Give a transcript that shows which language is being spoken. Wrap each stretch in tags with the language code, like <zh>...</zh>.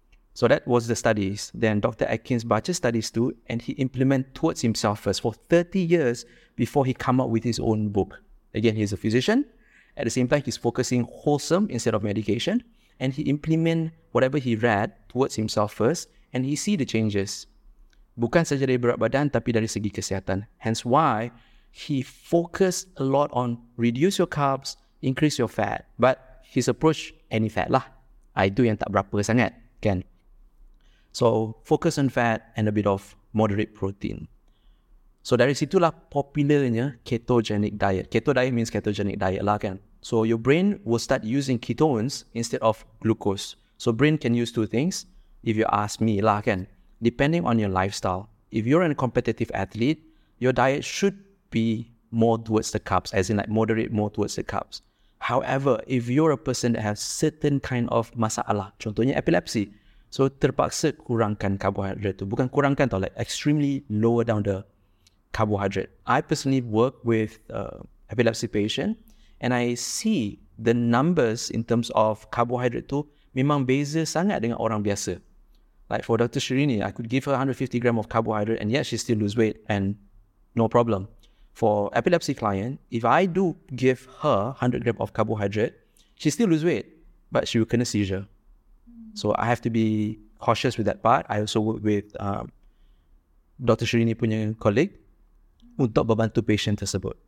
<en>So that was the studies. Then Dr. Atkins baca studies too, and he implement towards himself first for 30 years before he come up with his own book. Again, he's a physician. At the same time, he's focusing wholesome instead of medication, and he implement whatever he read towards himself first, and he see the changes.</en> <ms>Bukan saja dari berat badan, tapi dari segi kesehatan.</ms> <en>Hence why he focused a lot on reduce your carbs, increase your fat. But his approach, any fat lah.</en> <ms>Itu yang tak berapa sangat, kan?</ms> <en>So, focus on fat and a bit of moderate protein.</en> <ms>So, dari situlah popularnya ketogenic diet.</ms> <en>Keto diet means ketogenic diet lah, kan? So, your brain will start using ketones instead of glucose. So, brain can use two things, if you ask me lah, kan? Depending on your lifestyle, if you're a competitive athlete, your diet should be more towards the carbs, as in like moderate more towards the carbs. However, if you're a person that has certain kind of masalah, contohnya epilepsy, so</en> <ms>terpaksa kurangkan carbohydrate tu. Bukan kurangkan tau,</ms> <en>like extremely lower down the carbohydrate. I personally work with epilepsy patient, and I see the numbers in terms of carbohydrate tu</en> <ms>memang beza sangat dengan orang biasa.</ms> <en>Like for Dr. Shirini, I could give her 150 grams of carbohydrate and yet she still lose weight and no problem. For epilepsy client, if I do give her 100 grams of carbohydrate, she still lose weight, but she will kena seizure. So I have to be cautious with that part. I also work with Dr.</en> <ms>Shirini punya colleague untuk membantu patient tersebut.</ms>